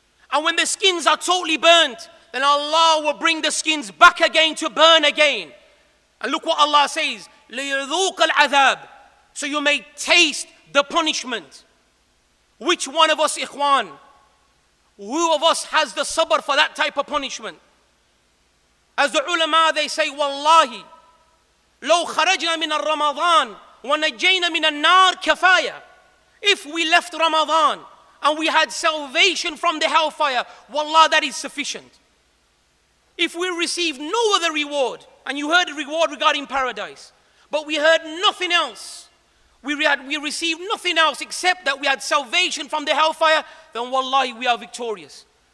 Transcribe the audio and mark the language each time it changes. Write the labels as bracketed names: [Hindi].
[English] And when the skins are totally burnt, then Allah will bring the skins back again to burn again. And look what Allah says, [Arabic] لِيَذُوقَ الْعَذَابِ, [English] so you may taste the punishment. Which one of us, ikhwan, who of us has the sabr for that type of punishment? As the ulama, they say, [Arabic] wallahi, لَوْ خَرَجْنَا مِنَ الرَّمَضَانِ وَنَجَّيْنَا مِنَ النَّارِ كَفَايَةً. [English] If we left Ramadan and we had salvation from the hellfire, wallah, that is sufficient. If we received no other reward, and you heard a reward regarding paradise, but we heard nothing else, we received nothing else except that we had salvation from the hellfire, then wallahi, we are victorious.